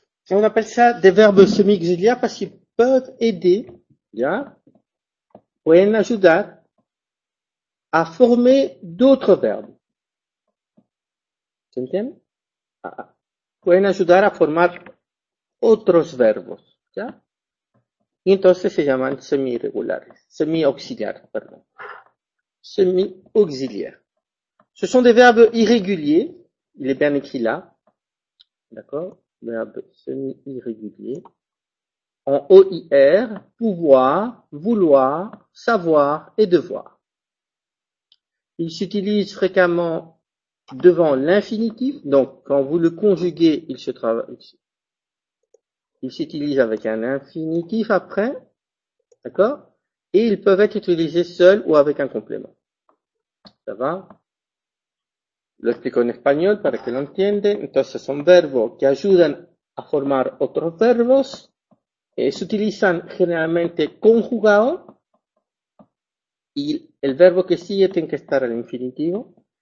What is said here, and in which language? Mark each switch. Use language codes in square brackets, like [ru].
[fr] On appelle ça des verbes semi-auxiliaires parce qu'ils peuvent aider, ou en ajudar, à former d'autres verbes. [es] ¿Entiendes? Pueden ayudar a formar otros verbos, ¿ya? Y entonces se llaman semi-irregulares, [fr] semi-auxiliaires, pardon. Semi-auxiliaires. Ce sont des verbes irréguliers. Il est bien écrit là. D'accord? Verbe semi-irrégulier. En OIR, pouvoir, vouloir, savoir et devoir. Ils s'utilisent fréquemment devant l'infinitif. Donc, quand vous le conjuguez, il se travaille. Ils s'utilisent avec un infinitif après, d'accord? Et ils peuvent être utilisés seuls ou avec un complément. Ça va? [es] Lo explico en español para que lo entiendan. Entonces son verbos que ayudan a formar otros verbos. Se utilizan generalmente conjugados. Y el verbo que sigue tiene que estar al infinitivo.